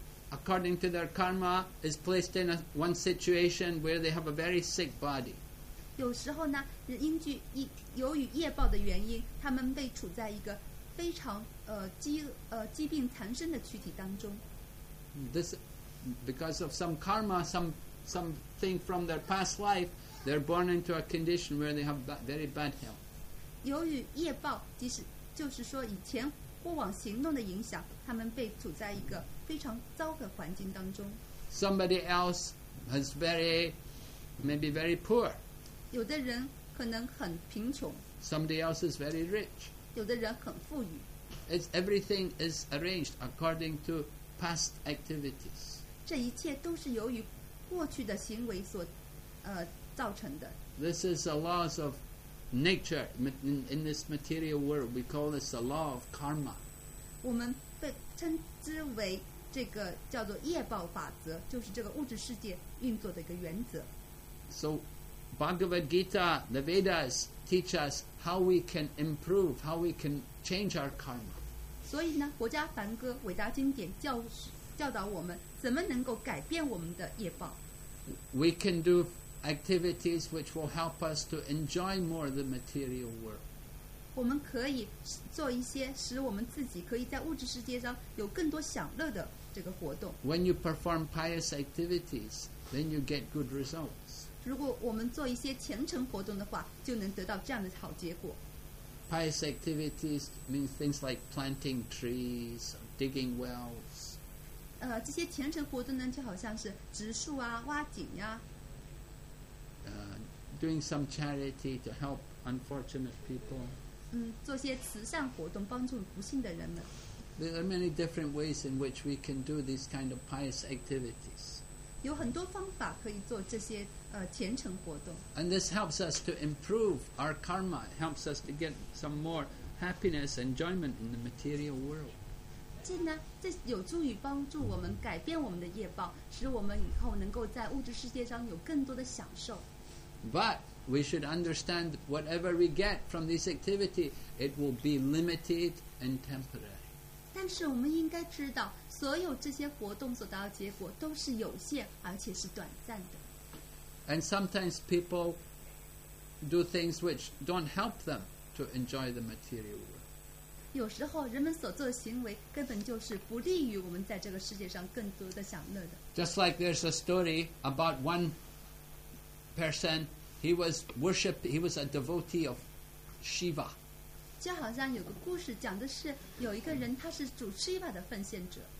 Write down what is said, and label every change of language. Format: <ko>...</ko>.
<en>According to their karma, is placed in one situation where they have a very sick body.</en> <zh>有时候呢，由于业报的原因，他们被处在一个非常疾病缠身的躯体当中。</zh> <en>This because of some karma, something from their past life, they're born into a condition where they have very bad health.</en> <zh>由于业报，就是说以前过往行动的影响，他们被处在一个。非常糟的环境当中。</zh> <en>Somebody else is maybe very poor.</en> <zh>有的人可能很贫穷。</zh> <en>Somebody else is very rich.</en> <zh>有的人很富裕。</zh> <en>It's everything is arranged according to past activities.</en> <zh>这一切都是由于过去的行为所造成的。</zh> <en>This is the laws of nature in this material world. We call this the law of karma.</en> <zh>我们被称之为这个叫做业报法则，就是这个物质世界运作的一个原则。</zh> <en>So, Bhagavad Gita, the Vedas teach us how we can improve, how we can change our karma.</en> <zh>所以呢，国家梵歌伟大经典教导我们怎么能够改变我们的业报。</zh> <en>We can do activities which will help us to enjoy more the material world.</en> <zh>我们可以做一些使我们自己可以在物质世界上有更多享乐的这个活动。</zh> <en>When you perform pious activities, then you get good results.</en> <zh>如果我们做一些虔诚活动的话，就能得到这样的好结果。</zh> <en>Pious activities mean things like planting trees, digging wells.</en> <zh>这些虔诚活动呢，就好像是植树啊、挖井呀、</zh> <en>doing some charity to help unfortunate people.</en> <zh>做些慈善活动帮助不幸的人们。</zh> <en>There are many different ways in which we can do these kind of pious activities.</en> <zh>有很多方法可以做这些虔诚活动。</zh> <en>And this helps us to improve our karma. It helps us to get some more happiness and enjoyment in the material world.</en> <zh>进呢，这有助于帮助我们改变我们的业报，使我们以后能够在物质世界上有更多的享受。</zh> <en>But we should understand whatever we get from this activity, it will be limited and temporary.</en> <zh>但是我们应该知道，所有这些活动所得到的结果都是有限，而且是短暂的。</zh> <en>And sometimes people do things which don't help them to enjoy the material world.</en> <zh>有时候人们所做的行为根本就是不利于我们在这个世界上更多的享乐的。</zh> <en>Just like there's a story about one. Person, he was worshipped. He was a devotee of Shiva.</en> <zh>就好像有个故事讲的是有一个人，他是主 Shiva 的奉献者。</zh>